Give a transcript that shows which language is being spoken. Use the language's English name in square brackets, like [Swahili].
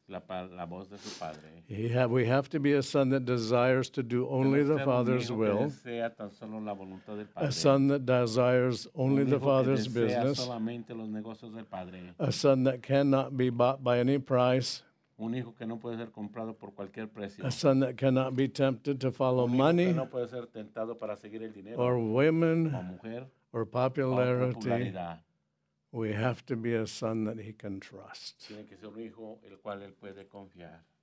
[Spanish] La voz de su padre. [English] We have to be a son that desires to do only the Father's will. [Spanish] Tan solo la voluntad del padre. [English] A son that desires only the Father's business. [Spanish] Solamente los negocios del padre. [English] A son that cannot be bought by any price. [Spanish] Un hijo que no puede ser comprado por cualquier precio. [English] A son that cannot be tempted to follow money. [Spanish] Un hijo que no puede ser tentado para seguir el dinero. [English] Or women. [Spanish] O mujer. [English] Or popularity, [Spanish] popularidad. [English] We have to be a son that he can trust. [Spanish] Tiene que ser un hijo el cual él puede confiar.